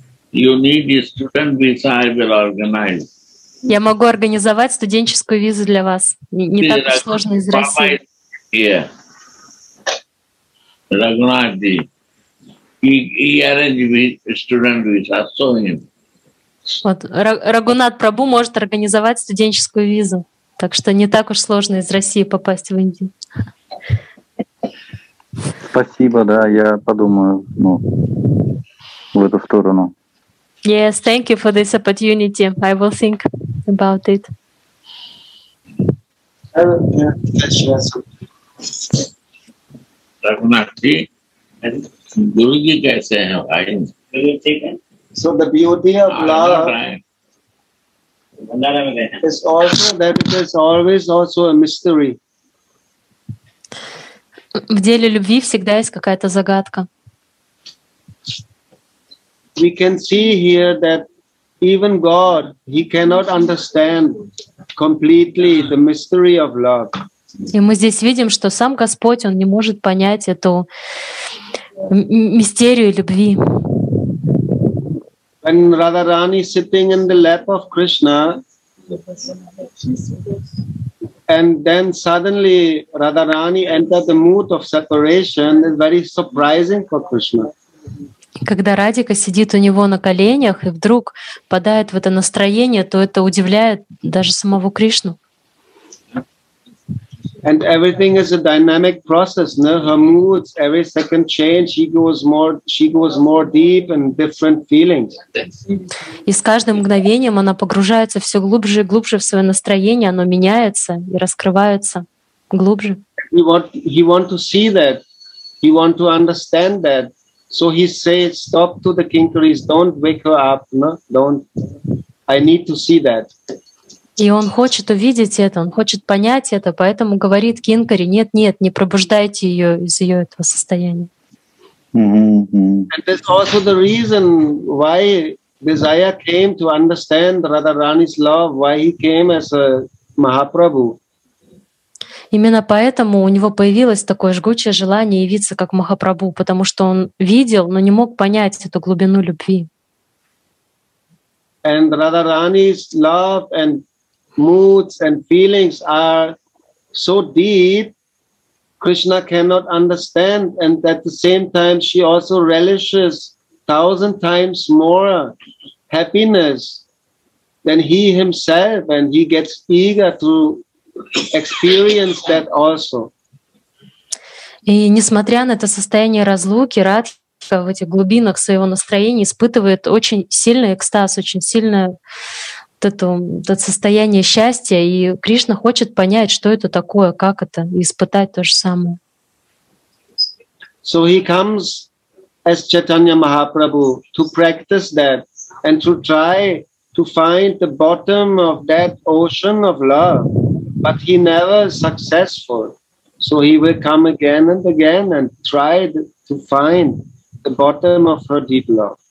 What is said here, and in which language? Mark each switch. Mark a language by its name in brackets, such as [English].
[English] You need a student visa, I will organize. [Russian] Я могу организовать студенческую визу для вас. Не так уж сложно из России. [English] Yeah. Raghunathji. He arranged student visa, so him. [Russian] Вот, Рагунат Прабу может организовать студенческую визу. Так что не так уж сложно из России попасть в Индию. Спасибо, да, я подумаю, ну, в эту сторону. [English] Yes, thank you for this opportunity. I will think about it. So the beauty of love is also that it is always also a mystery. [Russian] В деле любви всегда есть какая-то загадка. [English] We can see here that even God, he cannot understand completely the mystery of love. [Russian] И мы здесь видим, что сам Господь, он не может понять эту мистерию любви. [English] When Radharani is sitting in the lap of Krishna, and then suddenly Radharani entered the mood of separation, it's very surprising for Krishna. [Russian] Когда Радика сидит у него на коленях и вдруг падает в это настроение, то это удивляет даже самого Кришну. [English] And everything is a dynamic process, no? Her moods, every second change, she goes more deep and different feelings. [Russian] И с каждым мгновением она погружается все глубже и глубже в свое настроение, оно меняется и раскрывается глубже. [English] He want to see that. He want to understand that. So he says, stop to the Kinkaris, don't wake her up, no? Don't. I need to see that. [Russian] И он хочет увидеть это, он хочет понять это, поэтому говорит Кинкари: нет, нет, не пробуждайте ее из ее этого состояния. [English] And that's also the reason why Desire came to understand Radharani's love, why he came as a Mahaprabhu. [Russian] Именно поэтому у него появилось такое жгучее желание явиться как Махапрабху, потому что он видел, но не мог понять эту глубину любви. [English] And Radharani's love and moods and feelings are so deep, Krishna cannot understand, and at the same time she also relishes 1,000 times more happiness than he himself, and he gets eager to experience that also. [Russian] И несмотря на это состояние разлуки, Радха в этих глубинах своего настроения испытывает очень сильный экстаз, очень сильное это состояние счастья, и Кришна хочет понять, что это такое, как это, и испытать то же самое. [English] So he comes as Chaitanya Mahaprabhu to practice that and to try to find the bottom of that ocean of love. But he never successful. So he will come again and again and try to find the bottom of her deep love.